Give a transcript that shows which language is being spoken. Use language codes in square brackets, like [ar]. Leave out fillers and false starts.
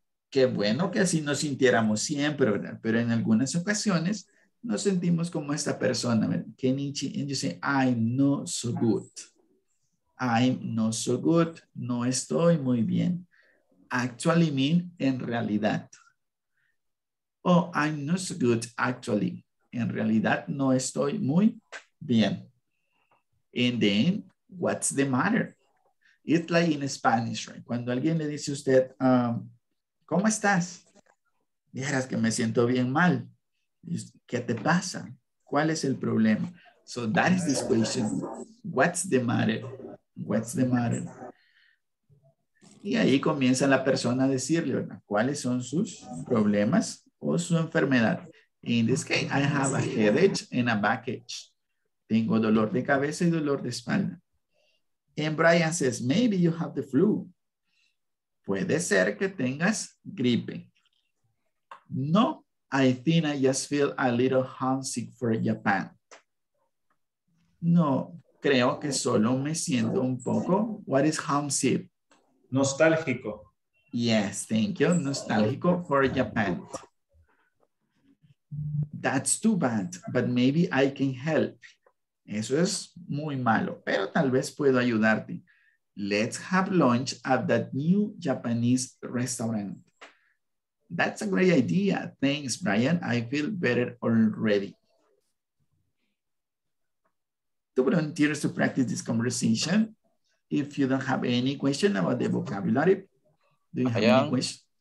[es] Qué bueno que así nos sintiéramos siempre, ¿verdad? Pero en algunas ocasiones nos sentimos como esta persona. [en] Kenichi, and you say, I'm not so good. I'm not so good. [es] No estoy muy bien. [en] Actually mean [es] en realidad. [en] Oh, I'm not so good actually. [es] En realidad no estoy muy bien. [en] And then, what's the matter? It's like in Spanish, right? [es] Cuando alguien le dice a usted, ¿cómo estás? Dijeras que me siento bien mal. ¿Qué te pasa? ¿Cuál es el problema? [en] So that is this question. What's the matter? What's the matter? [es] Y ahí comienza la persona a decirle, ¿verdad? ¿Cuáles son sus problemas o su enfermedad? [en] In this case, I have a headache and a backache. [es] Tengo dolor de cabeza y dolor de espalda. [en] And Brian says, maybe you have the flu. [es] Puede ser que tengas gripe. [en] No, I think I just feel a little homesick for Japan. [es] No, creo que solo me siento un poco. [en] What is homesick? [es] Nostálgico. [en] Yes, thank you. Nostálgico for Japan. That's too bad, but maybe I can help. [es] Eso es muy malo, pero tal vez puedo ayudarte. [en] Let's have lunch at that new Japanese restaurant. That's a great idea. Thanks, Brian. I feel better already. Do volunteers to practice this conversation. If you don't have any question about the vocabulary, do you have any question?